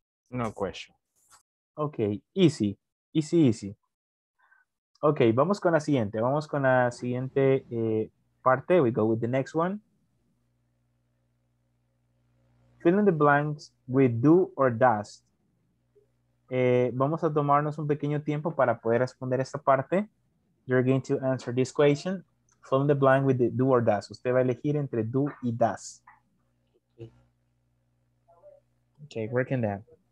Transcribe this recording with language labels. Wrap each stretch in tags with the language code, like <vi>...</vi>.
<en>No question. Ok, easy. Easy, easy. Ok,</en> <es>vamos con la siguiente. Vamos con la siguiente parte.</es> <en>We go with the next one. Fill in the blanks with do or does.</en> <es>Vamos a tomarnos un pequeño tiempo para poder responder esta parte.</es> <en>You're going to answer this question. Fill in the blank with the do or does.</en> <es>Usted va a elegir entre do y does.</es> <en>Okay, working that.</en>